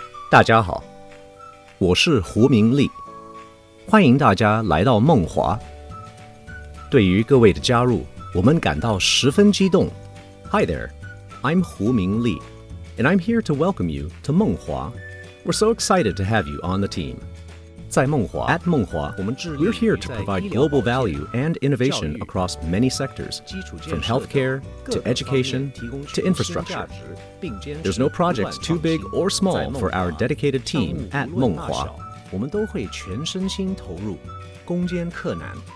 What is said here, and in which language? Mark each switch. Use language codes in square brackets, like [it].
[zh] 大家好，我是胡明丽，欢迎大家来到梦华。对于各位的加入，我们感到十分激动。 [en] Hi there, I'm Hu Mingli, and I'm here to welcome you to 梦华. We're so excited to have you on the team. [zh] 在梦华, [en] at 梦华, we're here to provide global value and innovation across many sectors, from healthcare to education to infrastructure. There's no project too big or small for our dedicated team at 梦华. [zh] 我们都会全身心投入，攻坚克难。